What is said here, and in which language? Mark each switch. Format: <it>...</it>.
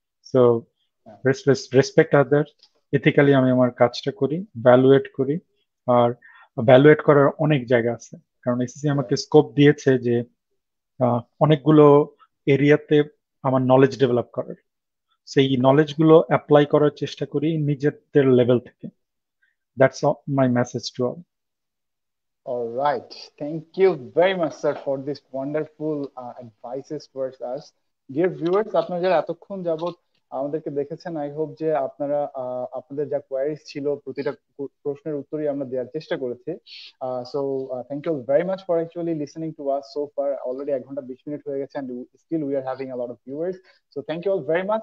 <bn>So respect others, ethically আমি আমার কাজটা করি, ভ্যালুয়েট করি, আর ভ্যালুয়েট করার অনেক জায়গা আছে কারণ এসএসসি আমাকে স্কোপ দিয়েছে যে অনেকগুলো এরিয়াতে আমার নলেজ ডেভেলপ করার, সেই নলেজ গুলো অ্যাপ্লাই করার চেষ্টা করি নিজেদের লেভেল থেকে।</bn> <en>That's my message to all. All right. Thank you very much, sir, for this wonderful advices towards us.</en> <bn>Dear viewers, আপনারা যারা এতক্ষণ যাবত আমাদেরকে দেখেছেন, আই হোপ যে আপনারা আপনাদের যা কোয়ারিজ ছিল প্রতিটা প্রশ্নের উত্তরই আমরা দেওয়ার চেষ্টা করেছি।</bn> <en>So thank you very much for actually listening to us so far. Already</en> <bn>1 ঘন্টা 20 মিনিট হয়ে গেছে</bn> <en>And still we are having a lot of viewers. So thank you all very much.</en>